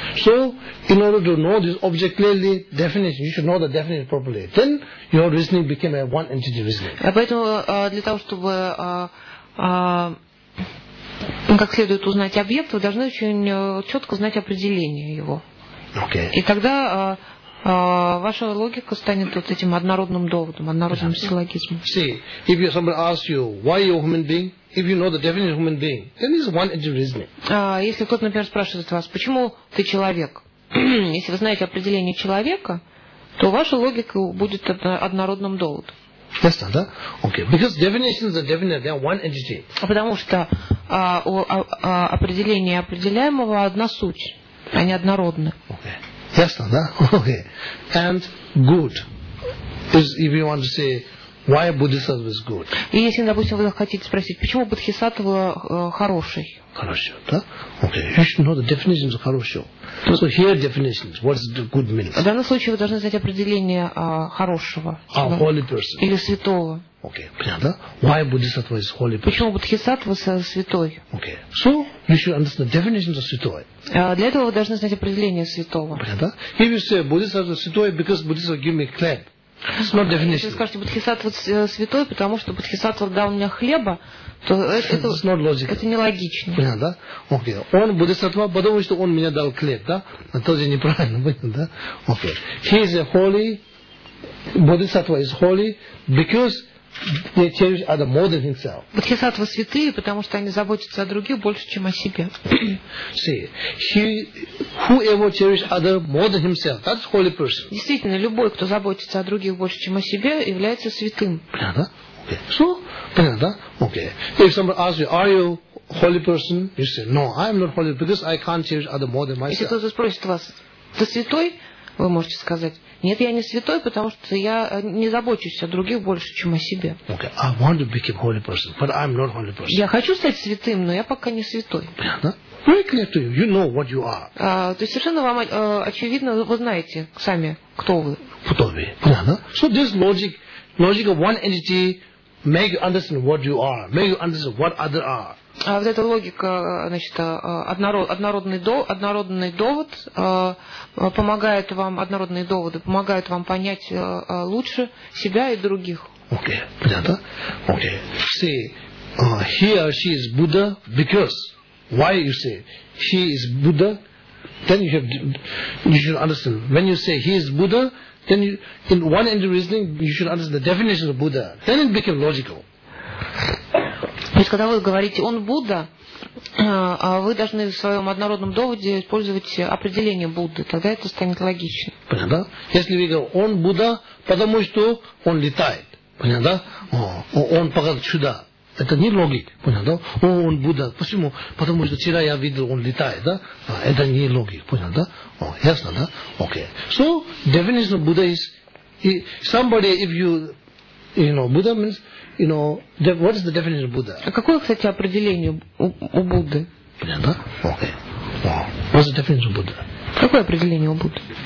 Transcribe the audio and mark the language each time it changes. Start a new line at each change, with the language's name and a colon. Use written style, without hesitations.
English: So, in order to know this object clearly, definition, you should know the definition properly. Then your reasoning became a one entity reasoning.
Russian: Поэтому для того, чтобы как следует узнать объект, вы должны очень четко знать определение его.
English: Okay.
Russian: И тогда ваша логика станет вот этим однородным доводом, однородным силлогизмом.
English: See, if somebody asks you, why you're a human being? If you know the definition of human being, then it's one entity reasoning.
Russian: Если кто-то, например, спрашивает вас, почему ты человек? Если вы знаете определение человека, то ваша логика будет однородным доводом.
English: Yes, да? Okay. Because definitions are definite, they are one entity.
Russian: Потому что определение определяемого одна суть, они однородны.
English: Okay. Yes, да? Okay. And good is if you want to say. Why Bodhisattva is good?
Russian: И если, допустим, вы хотите спросить, почему Бодхисаттва хороший? Хорошо, да?
English: Okay. You should know the definition of хорошо. So here definitions. What does good mean?
Russian: В данном случае вы должны знать определение хорошего.
English: А holy person.
Russian: Или святого.
English: Okay,
Russian: понятно?
English: Why Bodhisattva is holy person?
Russian: Почему Бодхисаттва святой?
English: Okay. So you should understand the definition of святой.
Russian: Для этого вы должны знать определение святого. Понятно?
English: If you say Bodhisattva святой because Bodhisattva give me clap.
Russian: Если вы скажете, Бодхисаттва святой, потому что Бодхисаттва дал мне хлеба, то это нелогично. Понятно, да? Окей. Okay. Он Бодхисаттва, потому что он мне дал хлеб, да? Это же неправильно, понятно, да? Окей. Okay.
English: He is a holy, Бодхисаттва is holy, because they cherish other more than himself.
Russian: Бодхисаттва святые, потому что они заботятся о других больше, чем о себе.
English: See, whoever cherishes other more than himself, that's holy person.
Russian: Действительно, любой, кто заботится о других больше, чем о себе, является святым. Понятно? Okay. So, понятно, да? Okay.
English: If somebody asks you, are you holy person? You say, no, I am not holy because I can't cherish other more than myself.
Russian: Если кто-то спросит вас, ты святой? Вы можете сказать, нет, я не святой, потому что я не забочусь о других больше, чем о себе.
English: Okay. I want to become holy person, but I'm not holy person.
Russian: Я хочу стать святым, но я пока не святой. Понятно?
English: Very clear to you. You know what you are.
Russian: То есть совершенно вам очевидно, вы знаете сами, кто вы. Кто вы? Понятно?
English: So this logic, logic of one entity, make you understand what you are, make you understand what other are.
Russian: Вот эта логика, значит, однородный довод помогает вам, однородные доводы помогают вам понять лучше себя и других. Окей, понятно? Окей.
English: See, he or she is Buddha because why you say he is Buddha? Then you should understand. When you say he is Buddha, then you, in one end of reasoning you should understand the definition of Buddha. Then it became logical.
Russian: То есть, когда вы говорите «он Будда», вы должны в своем однородном доводе использовать определение Будды. Тогда это станет логично. Понятно? Если вы говорите «он Будда», потому что он летает. Понятно? Он показывает чудо. Это не логик. Понятно? О, он Будда. Почему? Потому что вчера я видел, он летает. Да? Это не логик. Понятно? О, ясно, да? Окей. Okay.
English: So, definition of Buddha is somebody, if you know, Buddha means you know, what is the definition of Buddha?
Russian: А какое, кстати, определение у Будды? Понятно?
English: Okay. What is the definition of Buddha?
Russian: Какое определение у Будды?